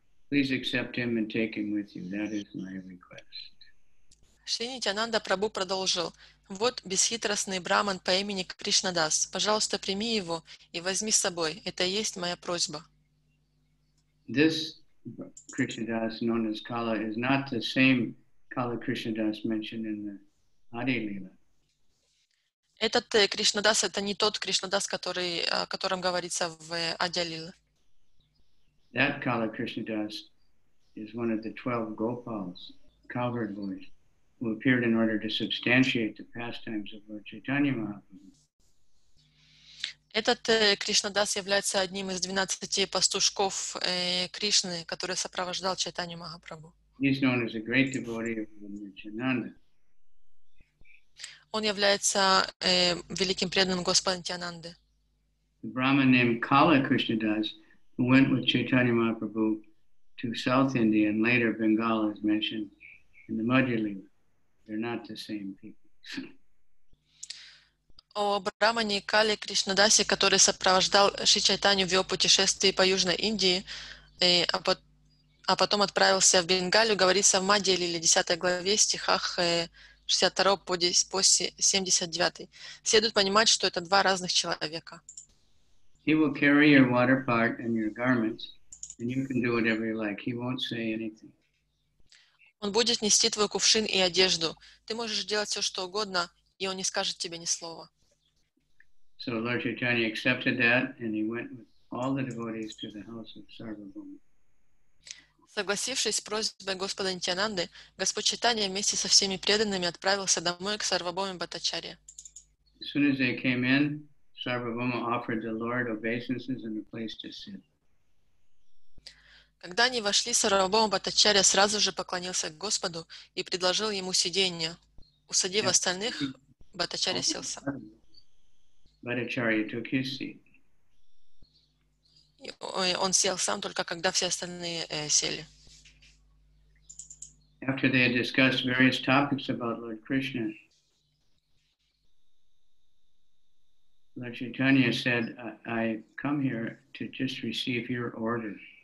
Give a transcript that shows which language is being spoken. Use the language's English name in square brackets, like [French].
[English] Please accept him and take him with you. That is my request. [Russian] Шри Нитянанда Прабху продолжил, вот бесхитростный браман по имени Кришнадас, пожалуйста, прими его и возьми с собой, это и есть моя просьба. [English] This Krishnadas, known as Kala, is not the same Kala Krishnadas mentioned in the Adi Lila. [Russian] Этот Кришнадас, это не тот Кришнадас, который, о котором говорится в Адя Лила. [English] That Kala Krishnadas is one of the 12 Gopals, cowherd boys. Who appeared in order to substantiate the pastimes of Lord Chaitanya Mahaprabhu. [Russian] Этот Кришнадас является одним из 12 пастушков Кришны, который сопровождал Чайтанью Махапрабху. [English] He is known as a great devotee of Lord Nityananda. [Russian] Он является великим преданным Господа Нитянанды. [English] The Brahman named Kala Krishnadas, who went with Chaitanya Mahaprabhu to South India and later Bengal, as mentioned in the Madhya Lila. They're not the same people. [Russian] О брамане Кали Кришнадасе, который сопровождал Шри Чайтанью в его путешествии по Южной Индии, а потом отправился в Бенгалию, говорится в Мадья Лиле, 10 главе, стихах 62 по 79. Следует понимать, что это два разных человека. [English] He will carry your water pot and your garments, and you can do whatever you like. He won't say anything. [Russian] Он будет нести твой кувшин и одежду. Ты можешь делать все, что угодно, и он не скажет тебе ни слова. [English] So Lord Chaitanya accepted that, and he went with all the devotees to the house of Sarvabhauma. [Russian] Согласившись с просьбой Господа Нитьянанды, Господь Чайтанья вместе со всеми преданными отправился домой к Сарвабхауме Бхаттачарье. [English] As soon as they came in, Sarvabhauma offered the Lord obeisances and a place to sit. [Russian] Когда они вошли, Сарвабхаума Бхаттачарья сразу же поклонился к Господу и предложил ему сиденье. Усадив остальных, Бхаттачарья сел сам. [English] Бхаттачарья took his seat. [Russian] Он сел сам, только когда все остальные сели. [English] After they had discussed various topics about Lord Krishna, Lord Chaitanya said, I come here to just receive your orders.